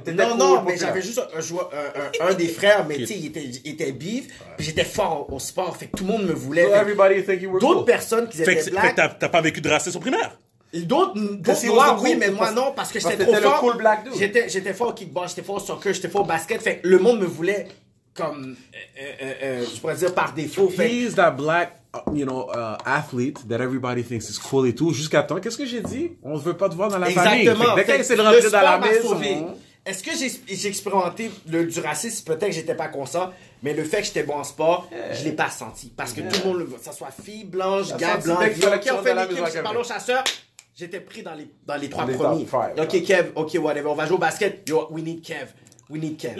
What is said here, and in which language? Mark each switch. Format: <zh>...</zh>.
<fr>Mais j'avais juste un des frères, mais tu sais, il était bif, puis j'étais fort au sport, fait que tout le monde me voulait.</fr> <en>So everybody think you were</en> <fr>d'autres Personnes qui étaient blancs. Fait que t'as pas vécu de racisme au primaire? D'autres noirs, oui, mais moi non, parce que j'étais trop fort.</fr> <en>Cool black dude.</en> <fr>J'étais fort au kickball, j'étais fort au soccer, j'étais fort au basket, fait que le monde me voulait comme, je pourrais dire, par défaut.</fr> <en>He's that black. You know, athlete that everybody thinks is cool</en> <fr>et tout. Jusqu'à temps, qu'est-ce que j'ai dit? On ne veut pas te voir dans la exactement. Famille. Exactement. Dès qu'elle essaie de rentrer dans la maison. Est-ce que j'ai expérimenté du racisme? Peut-être que j'étais pas conscient, mais le fait que j'étais bon en sport, je l'ai pas senti. Parce que tout le monde le voit. Que ce soit fille blanche, gars blanc, dès qu'il y a qui ont fait l'équipe, je parle aux chasseurs. J'étais pris dans les trois premiers. Ok, Kev, ok, whatever. On va jouer au basket.</fr> <en>Yo, we need Kev. We need Kev.</en>